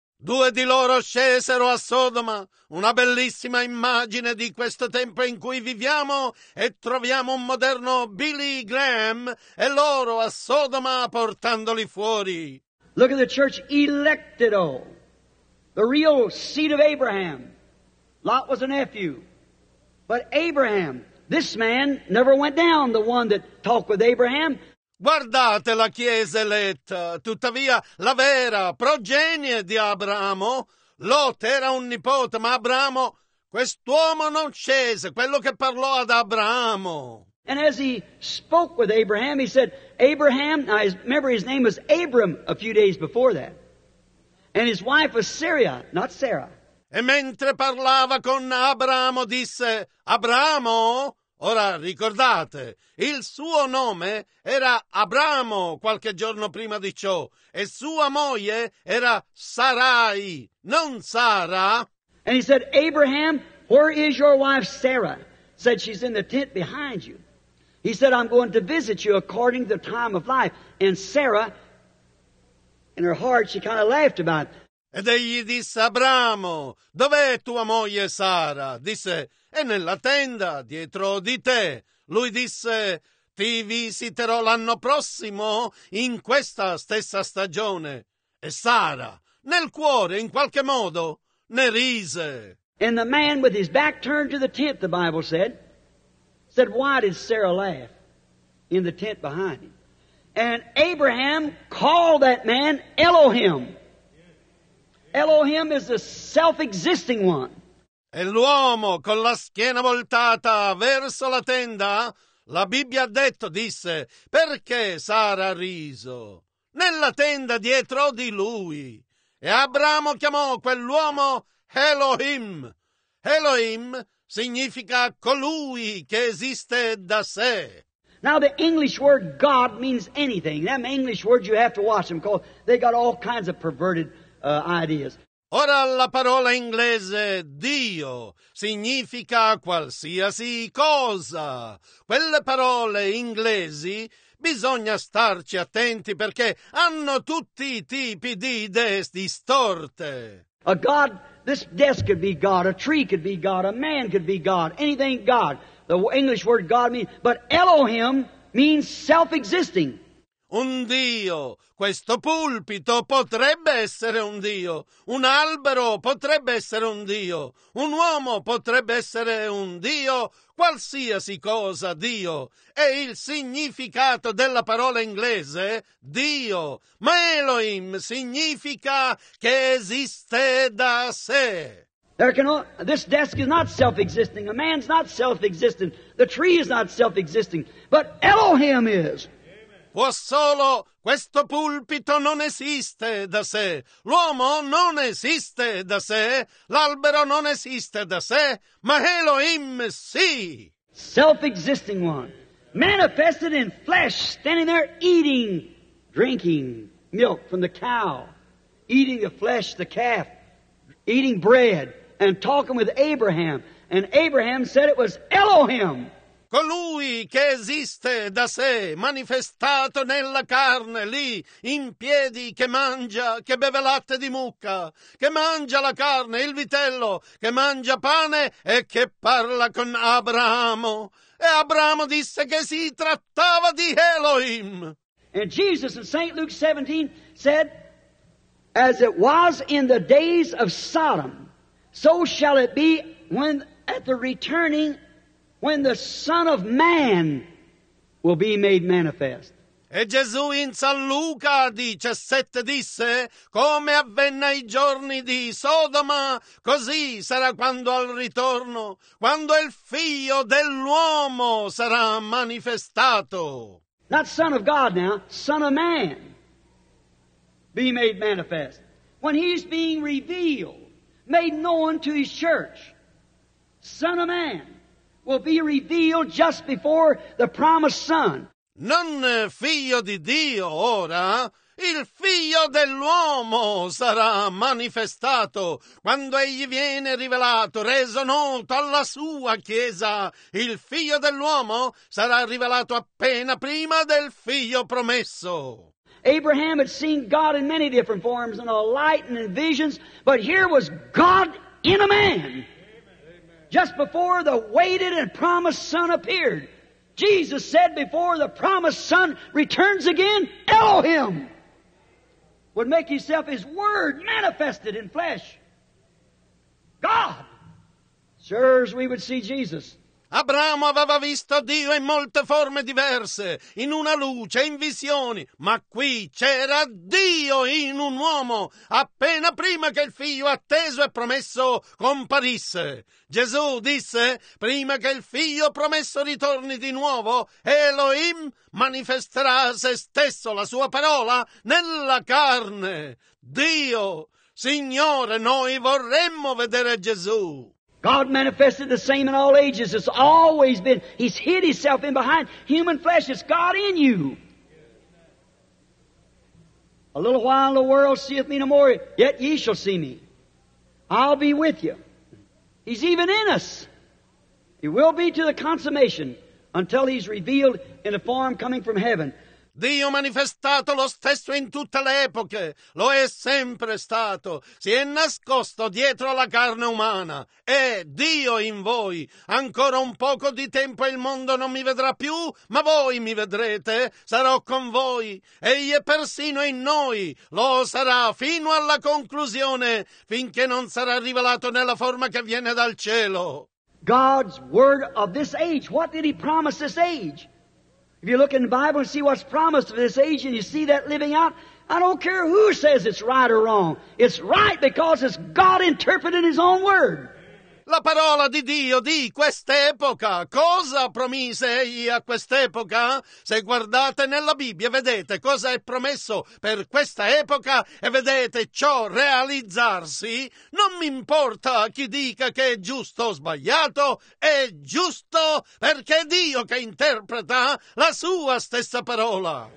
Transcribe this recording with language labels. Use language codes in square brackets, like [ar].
[it] Due di loro scesero a Sodoma, una bellissima immagine di questo tempo in cui viviamo, e troviamo un moderno Billy Graham e loro a Sodoma portandoli fuori. [en] Look at the church elected, oh, the real seed of Abraham. Lot was a nephew, but Abraham, this man never went down, the one that talked with Abraham. [it] Guardate la chiesa eletta, tuttavia la vera progenie di Abramo. Lot era un nipote, ma Abramo, quest'uomo non scese, quello che parlò ad Abramo. [en] And as he spoke with Abraham, he said, Abraham, now remember his name was Abram a few days before that, and his wife was Syria, not Sarah. [it] E mentre parlava con Abramo disse, Abramo... Ora ricordate, il suo nome era Abramo qualche giorno prima di ciò, e sua moglie era Sarai, non Sara. [en] And he said, Abraham, where is your wife Sarah? Said, she's in the tent behind you. He said, I'm going to visit you according to the time of life. And Sarah, in her heart, she kind of laughed about it. [it] Ed egli disse, Abramo, dov'è tua moglie Sara? Disse, e nella tenda dietro di te. Lui disse, ti visiterò l'anno prossimo in questa stessa stagione. E Sara, nel cuore, in qualche modo, ne rise. [en] And the man with his back turned to the tent, the Bible said, why did Sarah laugh in the tent behind him? And Abraham called that man Elohim. Elohim is the self-existing one. [it] E l'uomo con la schiena voltata verso la tenda, la Bibbia ha detto, disse, perché Sara ha riso? Nella tenda dietro di lui. E Abramo chiamò quell'uomo Elohim. Elohim significa colui che esiste da sé. [en] Now the English word God means anything. That English word you have to watch them because they got all kinds of perverted ideas. [it] Ora la parola inglese Dio significa qualsiasi cosa. Quelle parole inglesi bisogna starci attenti perché hanno tutti i tipi di idee distorte. [en] A God, this desk could be God, a tree could be God, a man could be God, anything God. The English word God means, but Elohim means self-existing. [it] Un Dio, questo pulpito potrebbe essere un Dio, un albero potrebbe essere un Dio, un uomo potrebbe essere un Dio, qualsiasi cosa Dio. È il significato della parola inglese Dio, ma Elohim significa che esiste da sé. [en] There can all, this desk is not self-existing, a man's not self-existing, the tree is not self-existing, but Elohim is. [it] Può solo, questo pulpito non esiste da sé, l'uomo non esiste da sé, l'albero non esiste da sé, ma Elohim sì. [en] Self-existing one, manifested in flesh, standing there eating, drinking milk from the cow, eating the flesh, the calf, eating bread, and talking with Abraham, and Abraham said it was Elohim. [it] Colui che esiste da sé, manifestato nella carne, lì, in piedi, che mangia, che beve latte di mucca, che mangia la carne, il vitello, che mangia pane e che parla con Abramo. E Abramo disse che si trattava di Elohim. [en] And Jesus in St. Luke 17 said, as it was in the days of Sodom, so shall it be when at the returning when the Son of Man will be made manifest. [it] E Gesù in San Luca 17 disse, come avvenne ai giorni di Sodoma, così sarà quando al ritorno, quando il Figlio dell'uomo sarà manifestato. [en] Not Son of God now, Son of Man be made manifest. When he's being revealed, made known to his church. Son of Man will be revealed just before the promised Son. [it] Non figlio di Dio ora, il figlio dell'uomo sarà manifestato quando egli viene rivelato, reso noto alla sua chiesa. Il figlio dell'uomo sarà rivelato appena prima del figlio promesso. [en] Abraham had seen God in many different forms and all light and in visions, but here was God in a man. Just before the waited and promised Son appeared. Jesus said before the promised Son returns again, Elohim would make himself his word manifested in flesh. God. Sirs, we would see Jesus. [it] Abramo aveva visto Dio in molte forme diverse, in una luce, in visioni, ma qui c'era Dio in un uomo, appena prima che il figlio atteso e promesso comparisse. Gesù disse, prima che il figlio promesso ritorni di nuovo, Elohim manifesterà se stesso la sua parola nella carne. Dio, Signore, noi vorremmo vedere Gesù. [en] God manifested the same in all ages. It's always been. He's hid himself in behind human flesh. It's God in you. A little while the world seeth me no more, yet ye shall see me. I'll be with you. He's even in us. He will be to the consummation until he's revealed in a form coming from heaven. [it] Dio manifestato lo stesso in tutte le epoche, lo è sempre stato, si è nascosto dietro la carne umana, è Dio in voi, ancora un poco di tempo il mondo non mi vedrà più, ma voi mi vedrete, sarò con voi, egli è persino in noi, lo sarà fino alla conclusione, finché non sarà rivelato nella forma che viene dal cielo. [en] God's word of this age, what did he promise this age? If you look in the Bible and see what's promised of this age and you see that living out, I don't care who says it's right or wrong. It's right because it's God interpreting His own word. [it] La parola di Dio di quest'epoca, cosa promise Egli a quest'epoca? Se guardate nella Bibbia, vedete cosa è promesso per questa epoca e vedete ciò realizzarsi. Non mi importa chi dica che è giusto o sbagliato, è giusto perché è Dio che interpreta la sua stessa parola.